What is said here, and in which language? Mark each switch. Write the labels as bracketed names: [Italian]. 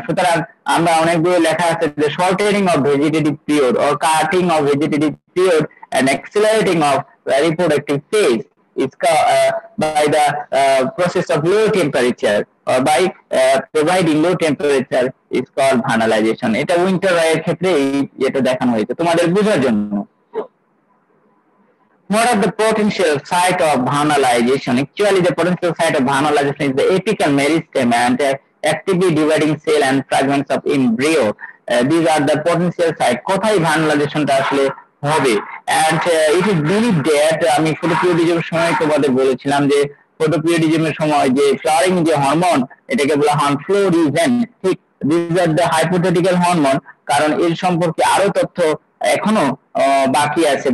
[English] সুতরাং আমরা অনেকগুলো লেখা আছে যে shortening of vegetative period or cutting of vegetative period and accelerating of reproductive phase is by the process of low temperature or by providing low temperature is call vernalization. [Bangla] এটা winter এর ক্ষেত্রে এই এটা দেখানো হয়েছে তোমাদের বোঝার জন্য। [English] What are the potential site of vernalization? Actually, the potential site of vernalization is the apical meristem and actively dividing cell and fragments of embryo. These are the potential site. [Bangla] কোথায় ভার্নালাইজেশনটা আসলে হবে? [English] And it is believed that [Bangla] আমি ফটোপিরিওডিজমের সময় তোমাদের বলেছিলাম যে ফটোপিরিওডিজমের সময় যে ফ্লাওয়ারিং যে হরমোন এটাকে বলা হয় ফ্লোরিজেন, ঠিক [English] this are the hypothetical hormone, [Bangla] কারণ এর সম্পর্কে আরো তথ্য এখনো বাকি আছে।